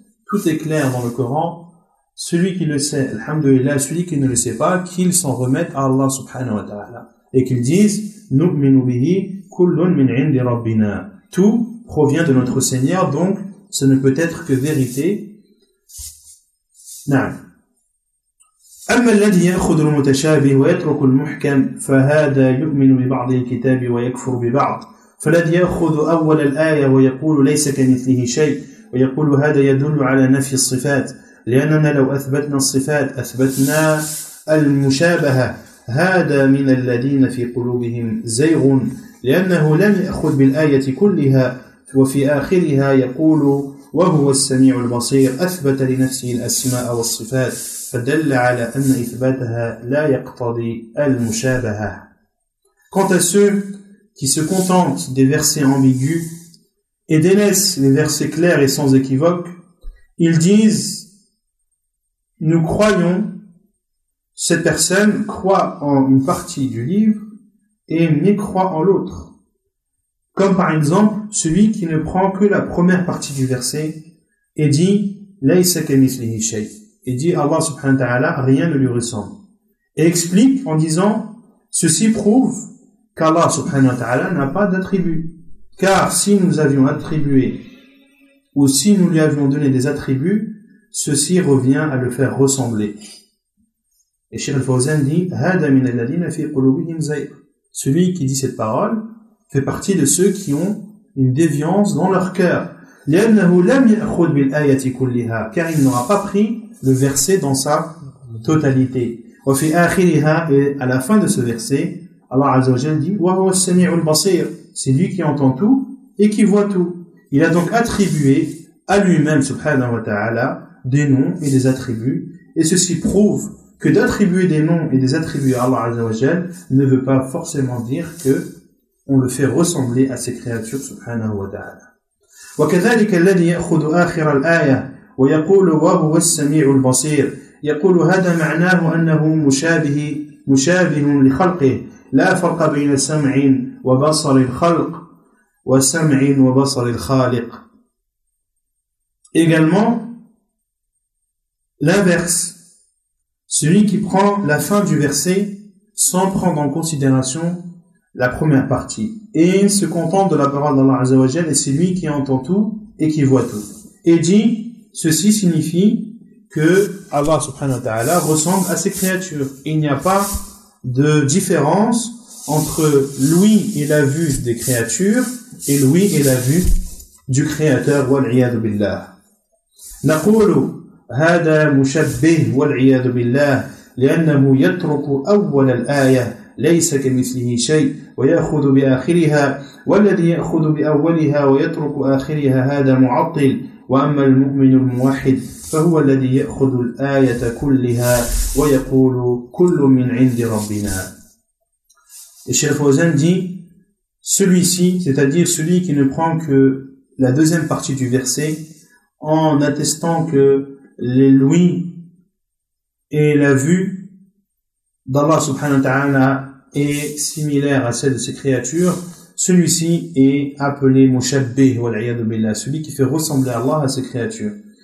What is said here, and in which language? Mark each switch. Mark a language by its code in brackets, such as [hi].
[fr] Tout est clair dans le Coran. Celui qui le sait, alhamdoulilah, celui qui ne le sait pas, qu'il s'en remette à Allah subhanahu wa ta'ala. Et qu'il dise, [ar] nu'minu bihi kullun min 'indi rabbina. [fr] Tout provient de notre Seigneur, donc ce ne peut être que vérité. [ar] Na'am. أما الذي يأخذ المتشابه ويترك المحكم فهذا يؤمن ببعض الكتاب ويكفر ببعض. فالذي يأخذ أول الآية ويقول ليس كمثله شيء ويقول هذا يدل على نفي الصفات، لأننا لو أثبتنا الصفات أثبتنا المشابهة، هذا من الذين في قلوبهم زيغ، لأنه لم يأخذ بالآية كلها وفي آخرها يقول وهو السميع البصير أثبت لنفسه الأسماء والصفات فدل على أن إثباتها لا يقتضي المشابهة. [fr] Quant à ceux qui se contentent des versets ambigus et délaissent les versets clairs et sans équivoque, ils disent, nous croyons, cette personne croit en une partie du livre et mécroit en l'autre. Comme par exemple, celui qui ne prend que la première partie du verset et dit, [ar] laïsa kamithlihi shay, [fr] et dit, Allah subhanahu wa ta'ala, rien ne lui ressemble. Et explique en disant, ceci prouve qu'Allah subhanahu wa ta'ala n'a pas d'attributs. Car si nous avions attribué, ou si nous lui avions donné des attributs, ceci revient à le faire ressembler. Et Cheikh Al-Fawzan dit, [ar] هذا من الذين في قلوبهم زيغ. [fr] Celui qui dit cette parole fait partie de ceux qui ont une déviance dans leur cœur. [ar] لأنه لم يأخذ بالآيات كلها, [fr] car il n'aura pas pris le verset dans sa totalité. [ar] وفي آخرها, [fr] et à la fin de ce verset, Allah Azza wa Jal dit, [ar] وهو السميع البصير, [fr] c'est lui qui entend tout et qui voit tout. Il a donc attribué à lui-même, subhanahu wa ta'ala, des noms et des attributs, et ceci prouve que d'attribuer des noms et des attributs à Allah Azza wa Jal ne veut pas forcément dire que on le fait ressembler à ses créatures, subhanahu wa ta'ala. وكذلك الذي يأخذ آخر الآية ويقول وهو السميع البصير يقول هذا معناه أنه مشابه لخلقه لا فرق بين سمع وبصر الخلق وسمع وبصر الخالق. Également, l'inverse, celui qui prend la fin du verset sans prendre en considération la première partie et se contente de la parole d'Allah Azza wa Jal, et c'est lui qui entend tout et qui voit tout, et dit, ceci signifie que Allah subhanahu wa ta'ala ressemble à ses créatures. Il n'y a pas de différence entre lui et la vue des créatures et lui et la vue du créateur, wal'iyadu billah. [ar] Naqulu hada mushabbih wal'iyadu billah li'annahu yatruku awwal al-ayah ليس كمثله شيء ويأخذ بآخرها والذي يأخذ بأولها ويترك آخرها هذا معطل وأما المؤمن الموحد فهو الذي يأخذ الآية كلها ويقول كل من عند ربنا. [fr] Et Cheikh Fawzan dit, celui-ci, c'est-à-dire celui qui ne prend que la deuxième partie du verset, en attestant que les louis et la vue d'Allah subhanahu wa ta'ala est similaire à celle de ses créatures, celui-ci est appelé Mushabbih wal a'yadu billah, celui qui fait ressembler Allah à ses créatures.